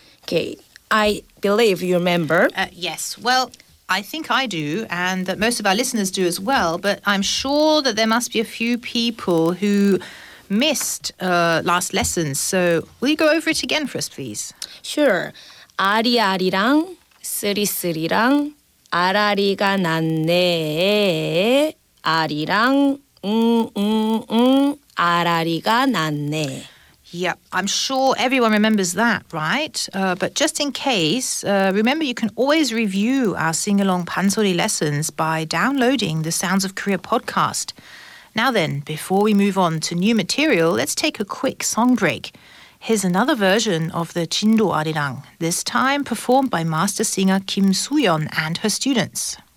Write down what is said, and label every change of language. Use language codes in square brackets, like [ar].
[en] Okay. I believe you remember. Yes. Well, I think I do, and that most of our listeners do as well, but I'm sure that there must be a few people who missed last lesson. So will you go over it again for us, please? Sure. [ko] 아리아리랑 쓰리쓰리랑 아라리가 났네 아리랑 아라리가 났네 [en] Yeah, I'm sure everyone remembers that, right? But just in case, remember you can always review our sing-along Pansori lessons by downloading the Sounds of Korea podcast. Now then, before we move on to new material, let's take a quick song break. Here's another version of the 진도 아리랑, this time performed by master singer Kim Soo-yeon and her students.